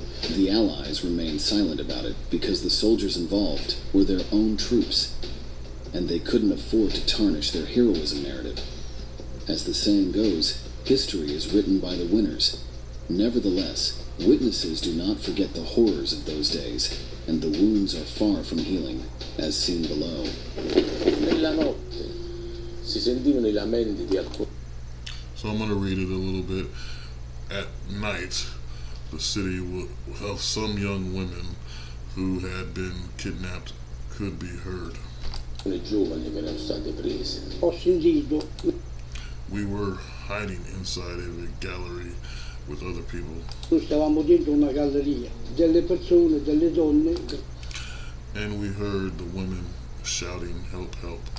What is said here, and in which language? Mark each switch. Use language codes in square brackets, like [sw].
[en] The Allies remained silent about it because the soldiers involved were their own troops, and they couldn't afford to tarnish their heroism narrative. As the saying goes, history is written by the winners. Nevertheless, witnesses do not forget the horrors of those days, and the wounds are far from healing, as seen below. [it] Nella notte si sentivano i lamenti di alcuni. [en] So I'm going to read it a little bit. At night, the city of some young women who had been kidnapped could be heard. [it] Le giovani che erano state prese. Ho sentito. [en] We were hiding inside of a gallery with other people. [it] Stavamo dentro una galleria delle persone, delle donne. [en] And we heard the women shouting, "Help, help."